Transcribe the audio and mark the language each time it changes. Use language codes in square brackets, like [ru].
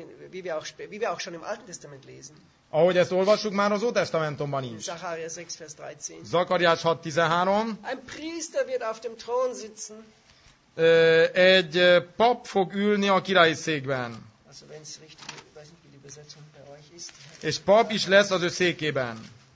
[de] Wie wir auch schon im Alten Testament lesen. [hu] Ahogy ezt olvassuk már az Ótestamentumban is. [de] Zacharias 6, Vers 13. [hu] Zakariás 6:13. [de] Ein Priester wird auf dem Thron sitzen. [hu] Egy pap fog ülni a királyi székben. [de] Also, wenn's richtig, weiß nicht, wie die Übersetzung bei euch ist. [hu] És pap is lesz az ő székében.